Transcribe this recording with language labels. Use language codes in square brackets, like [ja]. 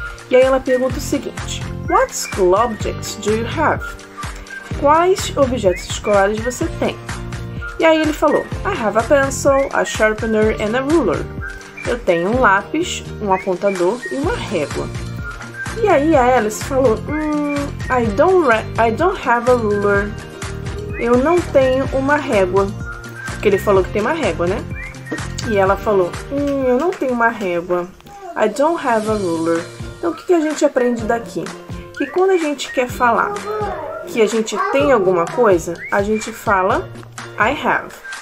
[pt] E aí ela pergunta o seguinte: [en] What school objects do you have? [pt] Quais objetos escolares você tem? E aí ele falou: [en] I have a pencil, a sharpener and a ruler. [pt] Eu tenho um lápis, um apontador e uma régua. E aí a Alice falou: [en] I don't have a ruler. [pt] Eu não tenho uma régua. Porque ele falou que tem uma régua, né? E ela falou: eu não tenho uma régua. [en] I don't have a ruler. [pt] Então, o que a gente aprende daqui? Que quando a gente quer falar que a gente tem alguma coisa, a gente fala I have.